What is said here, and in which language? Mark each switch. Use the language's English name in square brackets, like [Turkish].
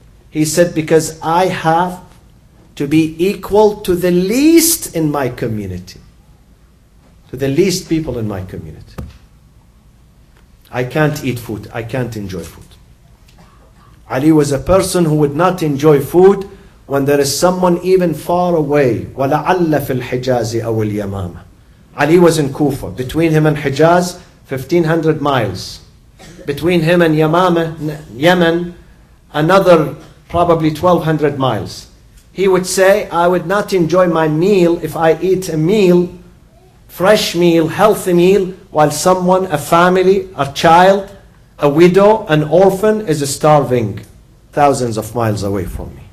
[English] He said, because I have to be equal to the least in my community. To the least people in my community. I can't eat food. I can't enjoy food. Ali was a person who would not enjoy food when there is someone even far away. [Arabic] وَلَعَلَّ فِي الْحِجَازِ أَوِ الْيَمَامَةِ [English] Ali was in Kufa. Between him and Hijaz, 1500 miles. Between him and Yemen, another probably 1200 miles. He would say, I would not enjoy my meal if I eat a meal, fresh meal, healthy meal, while someone, a family, a child, a widow, an orphan, is starving thousands of miles away from me.